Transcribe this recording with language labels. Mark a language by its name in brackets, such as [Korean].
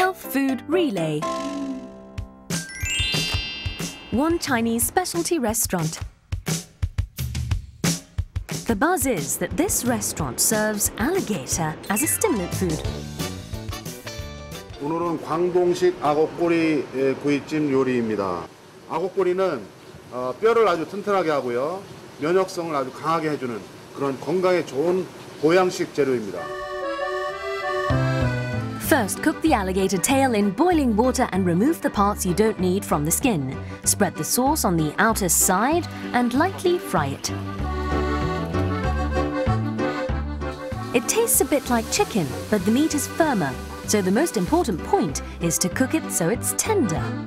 [English] Food Relay. One Chinese specialty restaurant. The buzz is that this restaurant serves alligator as a stimulant food. [Korean] 오늘은 광동식 아고꼬리 구이찜 요리입니다. 아고꼬리는 뼈를 아주 튼튼하게 하고요. 면역성을 아주 강하게 해주는 그런 건강에 좋은 보양식 재료입니다. [English] First, cook the alligator tail in boiling water and remove the parts you don't need from the skin. Spread the sauce on the outer side and lightly fry it. It tastes a bit like chicken, but the meat is firmer, so the most important point is to cook it so it's tender.